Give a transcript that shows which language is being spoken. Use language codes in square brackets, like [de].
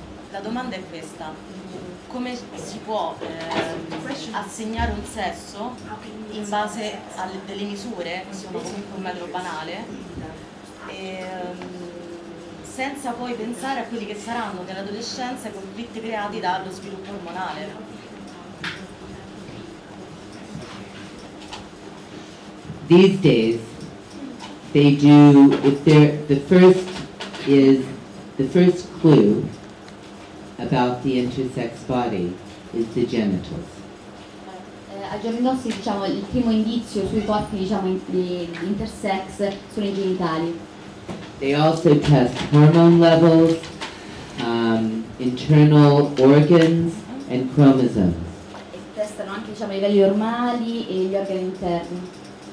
[it] La domanda è questa, come si può assegnare un sesso in base a delle misure, insomma comunque un metro banale, e, senza poi pensare a quelli che saranno nell'adolescenza i conflitti creati dallo sviluppo ormonale. [en] These days, they do, if they're, the first clue about the intersex body is the genitals. [it] Ai giorni nostri, diciamo, il primo indizio sui corpi, diciamo, intersex sono i genitali. [en] They also test hormone levels, internal organs, and chromosomes. [it] E testano anche, diciamo, i livelli ormonali e gli organi interni.